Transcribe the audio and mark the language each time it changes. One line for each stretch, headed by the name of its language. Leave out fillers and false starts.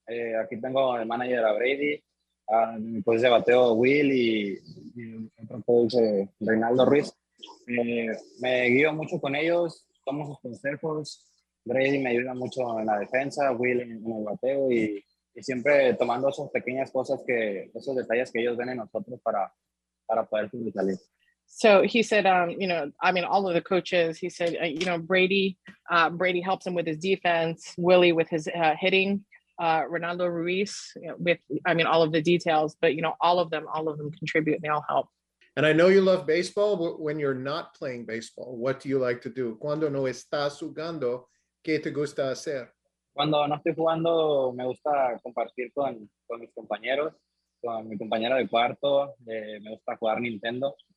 Spanish: Aquí tengo el manager a Brady, mi coach de bateo Will y otro coach Reinaldo Ruiz. Me guío mucho con ellos, tomo sus consejos. Brady me ayuda mucho en la defensa, Will en el bateo y siempre tomando esas pequeñas cosas, esos detalles que ellos ven en nosotros para poder sobresalir.
English: So he said, you know, I mean, all of the coaches, he said, you know, Brady helps him with his defense, Willie with his hitting, Ronaldo Ruiz with, I mean, all of the details, but, you know, all of them contribute, and they all help. And I know you love baseball, but when you're not playing baseball, what do you like to do?
Spanish: Cuando no estás jugando, ¿qué te gusta hacer? Cuando no estoy jugando, me gusta compartir con mis compañeros, con mi compañera de cuarto, me gusta jugar Nintendo.